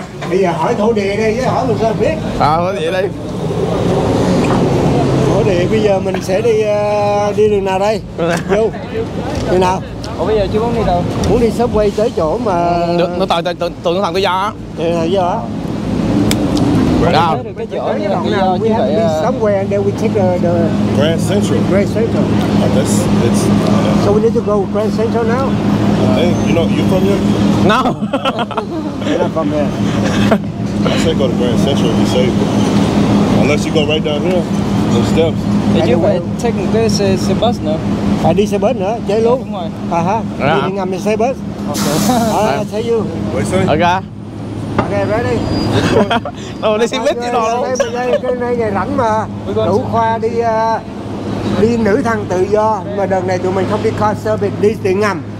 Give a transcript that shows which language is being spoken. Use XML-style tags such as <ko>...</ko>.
<vi>Bây giờ hỏi thổ địa đi, chứ hỏi luôn sao biết. Hỏi địa đi. Thổ địa bây giờ mình sẽ đi đi đường nào đây? Vô. Đi nào? Ủa bây giờ chưa muốn đi đâu? Muốn đi subway tới chỗ mà... Được, nó tới tượng thằng Tự Do á. Tượng thằng Tự Do á. Được rồi.</vi> <en>Đi subway and then we take the... Grand Central. Oh, that's... So we need to go Grand Central now? You know, you from here? No. You're not from here. I say go to Grand Central, be safe. Unless you go right down here, the steps. Did you take this as a bus now?</en> <vi>Phải đi xe bus nữa, chơi luôn. Đúng rồi. Hả hả? Đi đi ngầm đi xe bus.</vi> <en>Okay. I'll tell you. Wait, sorry. Okay. Okay, ready.</en> <vi>Oh, đi xe bus như đồ luôn. Cái này ngày rảnh mà. Đủ Khoa đi đi nữ thần tự do. Mà đợt này tụi mình không đi car service, đi điện ngầm.</vi>